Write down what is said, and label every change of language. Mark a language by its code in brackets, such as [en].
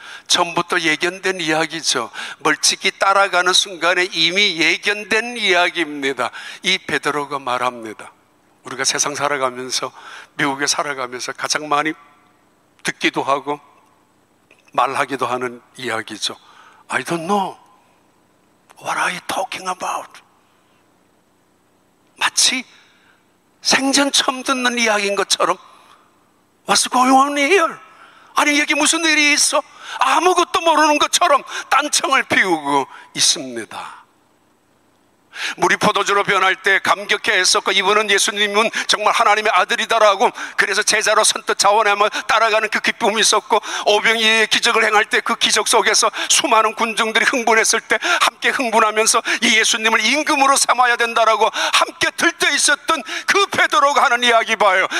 [ko] 전부터 예견된 이야기죠. 멀찍이 따라가는 순간에 이미 예견된 이야기입니다. 이 베드로가 말합니다. 우리가 세상 살아가면서, 미국에 살아가면서 가장 많이 듣기도 하고 말하기도 하는 이야기죠. [en] I don't know what are you talking about? [ko] 마치 생전 처음 듣는 이야기인 것처럼 [en] What's going on here? [ko] 아니 여기 무슨 일이 있어? 아무것도 모르는 것처럼 딴청을 피우고 있습니다. 물이 포도주로 변할 때 감격해 했었고, 이분은 예수님은 정말 하나님의 아들이다라고 그래서 제자로 선뜻 자원하며 따라가는 그 기쁨이 있었고, 오병이의 기적을 행할 때 그 기적 속에서 수많은 군중들이 흥분했을 때 함께 흥분하면서 이 예수님을 임금으로 삼아야 된다라고 함께 들떠 있었던 그 베드로가 하는 이야기 봐요.